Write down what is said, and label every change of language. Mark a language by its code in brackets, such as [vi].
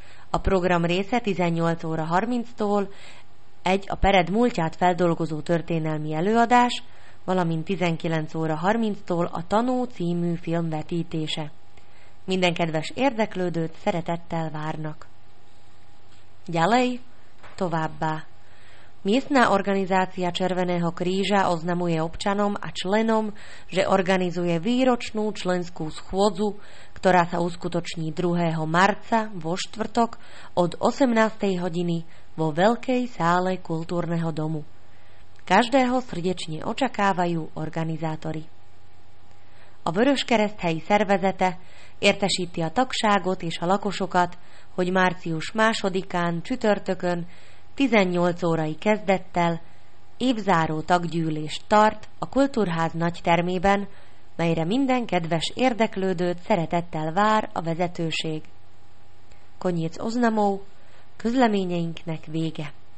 [hu] A program része 18 óra 30-tól egy a Pered múltját feldolgozó történelmi előadás, valamint 19 óra 30-tól a Tanú című film vetítése. Minden kedves érdeklődőt szeretettel várnak. [sk] Ďalej, [hu] továbbá. [sk] Miestna organizácia Červeného kríža oznamuje občanom a členom, že organizuje výročnú členskú schôdzu, ktorá sa uskutoční 2. marca vo štvrtok od 18. hodiny vo Veľkej sále kultúrneho domu. Každého srdečne očakávajú organizátori. [hu] A Vöröskereszt helyi szervezete értesíti a tagságot és a lakosokat, hogy március 2-án csütörtökön 18 órai kezdettel évzáró taggyűlést tart a Kultúrház nagy termében, melyre minden kedves érdeklődőt szeretettel vár a vezetőség. [sk] Konyec oznamov, [hu] közleményeinknek vége.